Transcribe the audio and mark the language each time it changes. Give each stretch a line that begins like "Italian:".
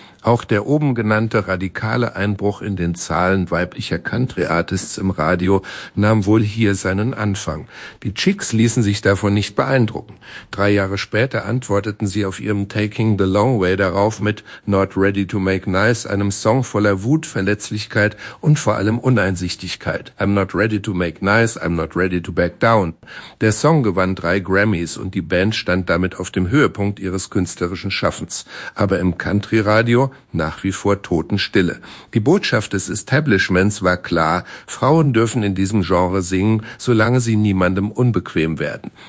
German: Auch der oben genannte radikale Einbruch in den Zahlen weiblicher Country-Artists im Radio nahm wohl hier seinen Anfang. Die Chicks ließen sich davon nicht beeindrucken. Drei Jahre später antworteten sie auf ihrem Taking the Long Way darauf mit Not Ready to Make Nice, einem Song voller Wut, Verletzlichkeit und vor allem Uneinsichtigkeit.
English: I'm not ready to make nice, I'm not ready to back down.
German: Der Song gewann drei Grammys und die Band stand damit auf dem Höhepunkt ihres künstlerischen Schaffens. Aber im Country-Radio nach wie vor Totenstille. Die Botschaft des Establishments war klar, Frauen dürfen in diesem Genre singen, solange sie niemandem unbequem werden.